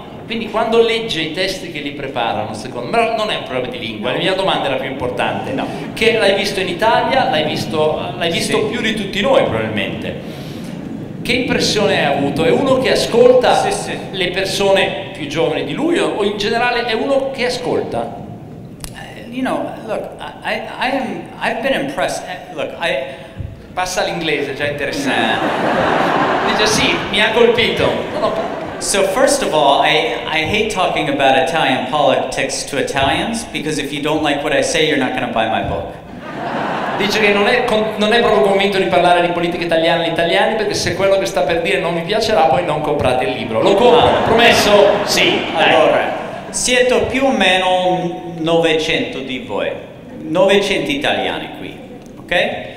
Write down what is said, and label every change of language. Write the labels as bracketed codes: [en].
[it] quindi quando legge i testi che li preparano, secondo me, non è un problema di lingua, la mia domanda era più importante, no. Che l'hai visto in Italia, l'hai visto sì. Più di tutti noi probabilmente, che impressione hai avuto? È uno che ascolta sì. Le persone più giovani di lui o in generale è uno che ascolta? [en] You know, look, I've been impressed, look, I... [it] passa all'inglese, già interessante. Dice sì, mi ha colpito. [en] So first of all, I hate talking about Italian politics to Italians, because if you don't like what I say, you're not going to buy my book. [it] Dice che non è proprio convinto di parlare di politica italiana agli italiani, perché se quello che sta per dire non vi piacerà, poi non comprate il libro. Lo compro, promesso? Sì, dai. Allora, siete più o meno 900 di voi, 900 italiani qui, ok?